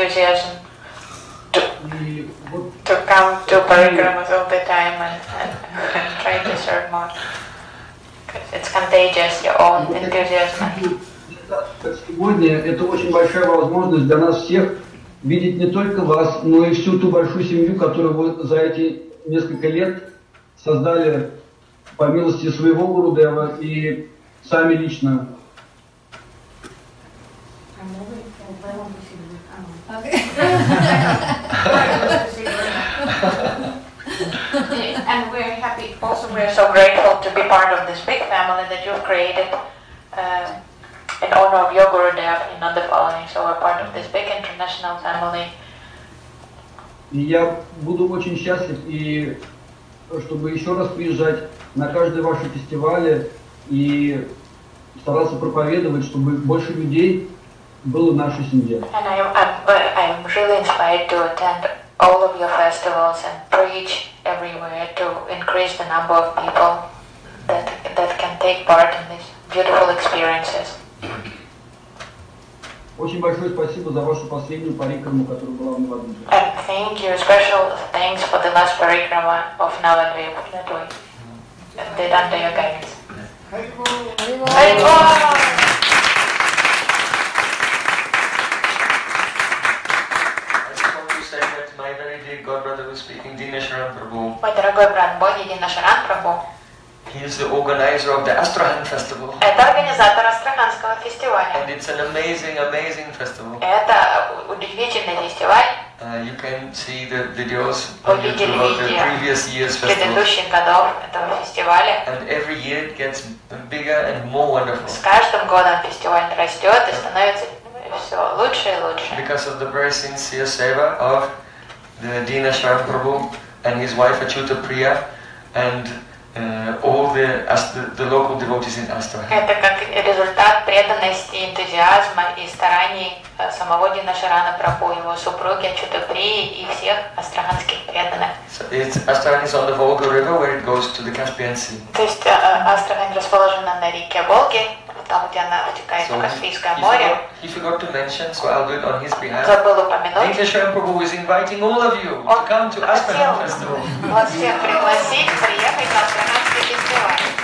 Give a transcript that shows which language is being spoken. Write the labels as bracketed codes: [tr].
[en] To come to parikramas all the time and try to serve more. It's contagious, your own enthusiasm. [ru] Сегодня это очень большая возможность для нас всех видеть не только вас, но и всю ту большую семью, которую вы за эти несколько лет создали по милости своего Гурудева и сами лично. [en] And we're happy, also we're so grateful to be part of this big family that you've created in honor of your Gurudev and on the following, so we're part of this big international family. [ru] Я буду очень счастлив, и чтобы еще раз приезжать на каждый ваш фестиваль и стараться проповедовать, чтобы больше людей было в нашей семье. [en] And I'm really inspired to attend all of your festivals and preach everywhere to increase the number of people that can take part in these beautiful experiences. [ru] Очень большое спасибо за вашу последнюю парикраму, которая была в Новодвинске. [en] Thank you. Special thanks for the last parikrama of Navadvip that we did under your guidance. Thank you. [ru] Мой дорогой брат Боги Динашаран Прабу. [en] He is the organizer of the Astrakhan festival. [ru] Это организатор Астраханского фестиваля. [en] And it's an amazing, amazing festival. [ru] Это удивительный фестиваль. [en] You can see the videos of the previous year's festival. [ru] Предыдущих годов этого фестиваля. [en] And every year it gets bigger and more wonderful. [ru] С каждым годом фестиваль растет и становится все лучше и лучше. [en] Because of the very sincere seva of the Dinasharan Prabhu and his wife Achyuta Priya and all the local devotees in Astrakhan. [ru] Это как результат преданности, энтузиазма и стараний самого Динашарана Прабху, его супруги Ачюты Прии и всех астраханских преданных. [en] So it's Astrakhan is on the Volga River where it goes to the Caspian Sea. [ru] То есть Астрахан расположена на реке Волги. Там, где она вытекает в Каспийское море. [en] He forgot to mention, so I'll do it on his behalf. [ru] Забыл упомянуть. [en] Dinasharan Prabhu is inviting all of you to come to Astrakhan Festival. [ru] Вас всех пригласить приехать на Астраханский фестиваль.